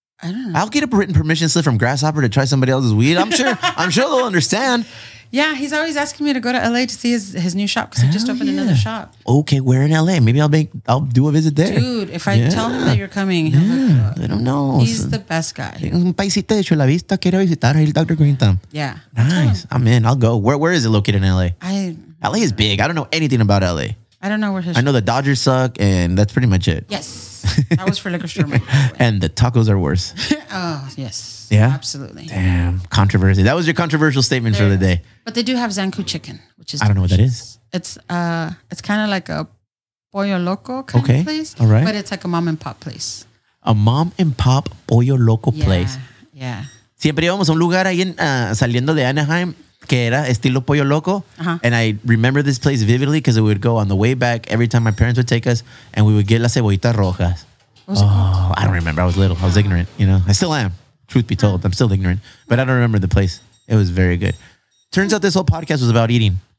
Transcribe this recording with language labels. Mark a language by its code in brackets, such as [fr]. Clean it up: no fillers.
[en] I don't know. I'll get a written permission slip from Grasshopper to try somebody else's weed. I'm sure they'll understand. Yeah, he's always asking me to go to LA to see his new shop because he just opened another shop. Okay, where in LA? Maybe I'll do a visit there. Dude, if I tell him that you're coming, he'll I don't know. He's the best guy. [es] Un paisita de Chula Vista quiere visitar el Dr. [en] Green Thumb. Yeah. Nice. I'm in. I'll go. Where is it located in LA? LA is big. I don't know anything about LA. I don't know where his I know the Dodgers suck and that's pretty much it. Yes. That was for liquor store. Right? And the tacos are worse. Oh, yes. Yeah. Absolutely. Damn. Controversy. That was your controversial statement for the day. But they do have Zanku chicken, which is I don't know what that is. It's kind of like a pollo loco kind of place. All right. But it's like a mom and pop place. A mom and pop pollo loco place. Yeah. [es] Siempre íbamos a un lugar ahí saliendo de Anaheim. Que era estilo pollo loco. [en] And I remember this place vividly because it would go on the way back every time my parents would take us and we would get [es] las cebollitas rojas. [en] I don't remember. I was little. I was ignorant. You know, I still am. Truth be told, I'm still ignorant. But I don't remember the place. It was very good. Turns out this whole podcast was about eating.